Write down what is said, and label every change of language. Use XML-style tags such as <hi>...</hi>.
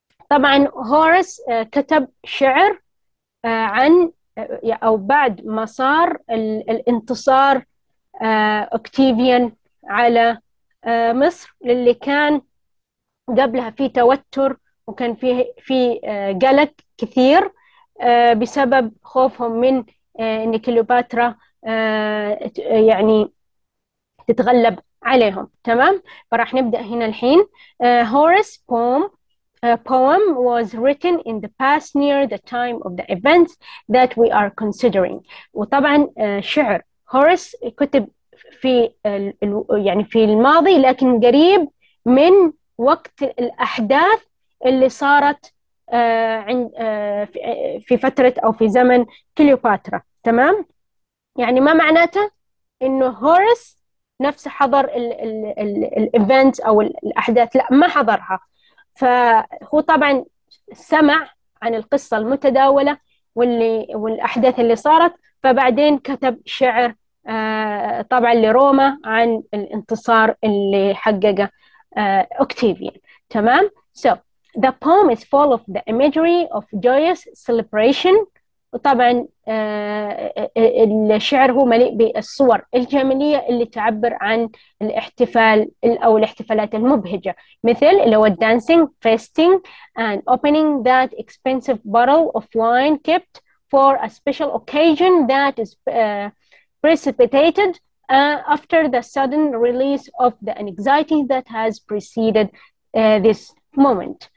<ar>طبعا هورس كتب شعر عن أو بعد ما صار الانتصار أوكتيفيان على مصر، للي كان قبلها في توتر وكان في قلق كثير بسبب خوفهم من ان كليوباترا يعني تتغلب عليهم، تمام؟ فراح نبدأ هنا الحين.</ar> <en>Horace poem poem was written in the past near the time of the events that we are considering.</en> <ar>وطبعا شعر هورس كتب في يعني في الماضي، لكن قريب من وقت الأحداث اللي صارت عند في فترة أو في زمن كليوباترا، تمام؟ يعني ما معناته إنه هورس نفسه حضر الإيفنت أو الأحداث، لا ما حضرها. فهو طبعا سمع عن القصة المتداولة والأحداث اللي صارت، فبعدين كتب شعر طبعا لروما عن الانتصار اللي حققه أوكتيفيان، تمام؟</ar> <en>So the poem is full of the imagery of joyous celebration.</en> <ar>وطبعا الشعر هو مليء بالصور الجمالية اللي تعبر عن الاحتفال أو الاحتفالات المبهجة، مثل اللي هو</ar> <en>dancing, feasting and opening that expensive bottle of wine kept for a special occasion that is precipitated after the sudden release of the anxiety that has preceded this moment.</en>